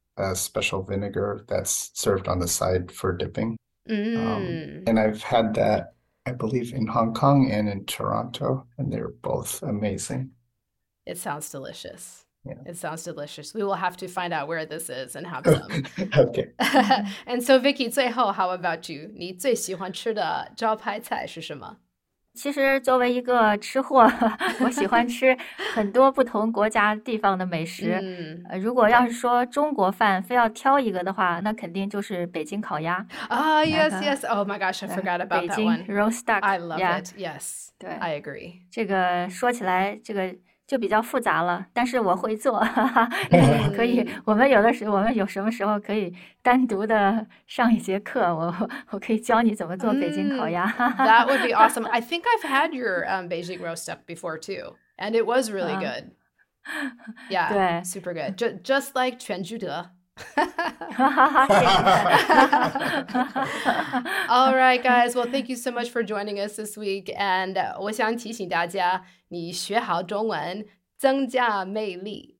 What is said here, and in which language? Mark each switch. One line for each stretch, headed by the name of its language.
English: a special vinegar that's served on the side for dipping. And I've had that, I believe, in Hong Kong and in Toronto, and they're both amazing. It sounds delicious. Yeah. It sounds delicious. We will have to find out where this is and have some. Okay. And so, Vicky,
Chinese: 最后,
English: how about you?
Chinese: 你最喜欢吃的招牌菜是什么？其实作为一个吃货，我喜欢吃很多不同国家地方的美食。如果要是说中国饭，非要挑一个的话，那肯定就是北京烤鸭。
English: Ah,、oh, yes, yes. Oh my gosh, I forgot about that one. 北京 roast duck. I love、 yeah. it. Yes.
Chinese: 对
English: ，I agree.
Chinese: 这个说起来，这个就比较复杂了，但是我会做，可以。我们有什么时候可以单独的上一节课，我可以教你怎么做北京烤鸭。
English: That would be awesome. I think I've had your Beijing roast duck before too, and it was really good. Yeah,
Chinese: 对
English: super good. Just like 全聚德。All right, guys. Well, thank you so much for joining us this week. And
Chinese: 我想提醒大家，你学好中文，增加魅力。